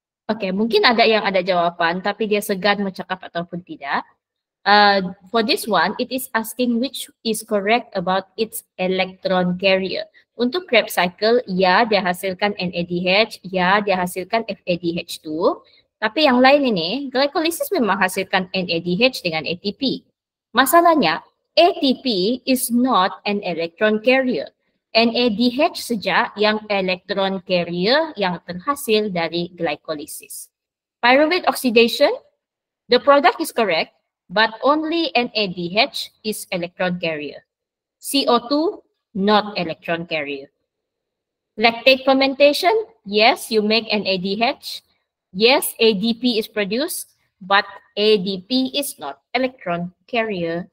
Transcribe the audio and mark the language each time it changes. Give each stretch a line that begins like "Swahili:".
Malay: Okay, mungkin ada yang ada jawaban tapi dia segan mencakap ataupun tidak.
English: For this one, it is asking which is correct about its electron carrier.
Malay: Untuk Krebs cycle, ya dia hasilkan NADH, ya dia hasilkan FADH2. Tapi yang lain ini, glycolysis memang hasilkan NADH dengan ATP. Masalahnya,
English: ATP is not an electron carrier.
Malay: NADH saja yang electron carrier yang terhasil dari glycolysis.
English: Pyruvate oxidation, the product is correct, but only NADH is electron carrier. CO2, not electron carrier. Lactate fermentation, yes, you make NADH. Yes, ADP is produced, but ADP is not electron carrier.